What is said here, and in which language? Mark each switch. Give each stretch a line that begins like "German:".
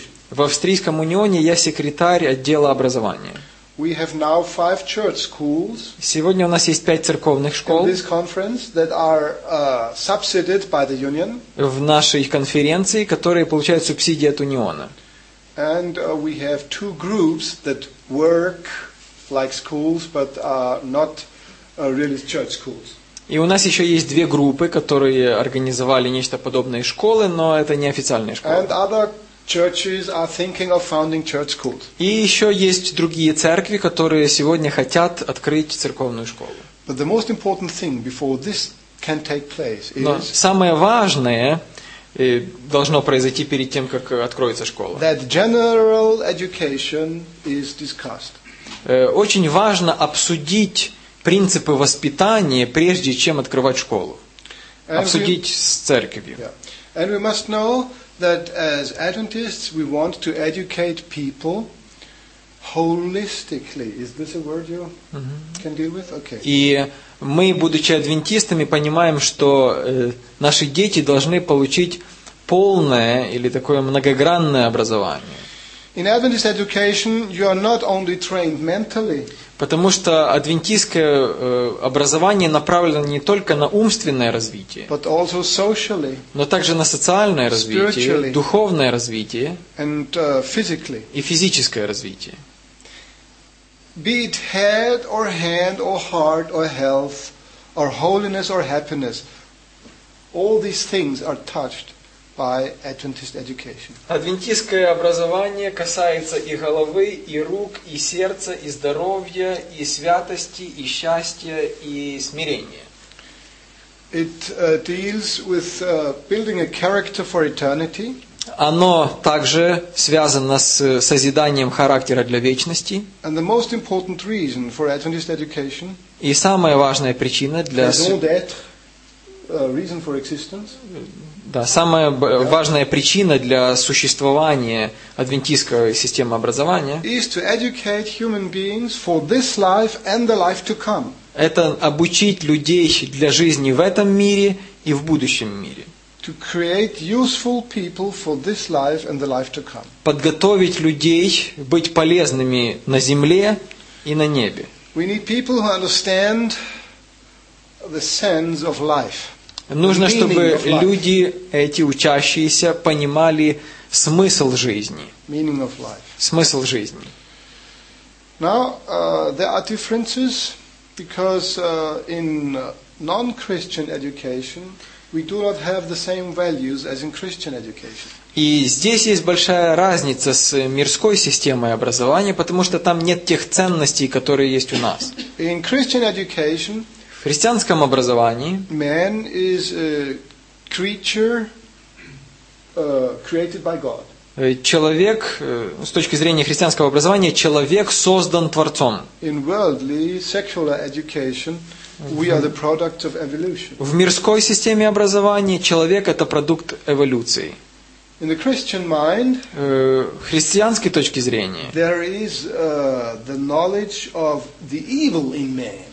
Russian: В Австрийском Унионе я секретарь отдела образования.
English: We have now 5 church schools.
Russian: Сегодня у нас есть 5 церковных школ.
English: In this conference that are subsidized by the union.
Russian: В нашей конференции, которые получают субсидии от униона.
English: And we have 2 groups that work like schools, but not really church schools.
Russian: И у нас еще есть две группы, которые организовали нечто подобное школы, но это не официальные школы.
English: And other churches are thinking of founding church schools.
Russian: И еще есть другие церкви, которые сегодня хотят открыть церковную школу.
English: But the most important thing before this can take place is.
Russian: Но самое важное должно произойти перед тем, как откроется школа.
English: That general education is discussed.
Russian: Очень важно обсудить принципы воспитания, прежде чем открывать школу. Обсудить с церковью.
English: And we must know that as Adventists we want to educate people holistically. Is this a word you can deal with? Okay.
Russian: И мы, будучи адвентистами, понимаем, что наши дети должны получить полное или такое многогранное образование.
English: In Adventist education you are not only trained mentally.
Russian: Потому что адвентистское образование направлено не только на умственное развитие,
English: but also socially,
Russian: но также на социальное развитие,
English: spiritually,
Russian: духовное развитие
English: and, physically.
Russian: И физическое развитие.
English: Be it head or hand or heart or health or holiness or happiness, all these things are touched by Adventist education.
Russian: Адвентистское образование касается и головы, и рук, и сердца, и здоровья, и святости, и счастья, и смирения.
English: It deals with building a character for eternity.
Russian: Оно также связано с созиданием характера для вечности.
English: And the most important reason for Adventist education.
Russian: И самая важная причина для
English: reason for existence.
Russian: Да, самая важная причина для существования адвентистской системы образования
English: is to educate human beings for this life and the life to come.
Russian: Это обучить людей для жизни в этом мире и в будущем мире.
English: To create useful people for this life and the life to come.
Russian: Подготовить людей быть полезными на земле и на небе.
English: We need people who understand the sense of life.
Russian: Нужно, чтобы люди, эти учащиеся, понимали смысл жизни.
English: Meaning of life.
Russian: Смысл жизни.
English: Now, there are differences, because in non-Christian education we do not have the same values as in Christian education.
Russian: И здесь есть большая разница с мирской системой образования, потому что там нет тех ценностей, которые есть у нас.
English: In Christian education,
Russian: в христианском образовании
English: man is a creature created by God.
Russian: Человек, с точки зрения христианского образования, человек создан Творцом.
English: In worldly secular education we are the product of evolution.
Russian: В мирской системе образования человек это продукт эволюции.
English: In the Christian mind,
Russian: христианской точки зрения,
English: there is the knowledge of the evil in man.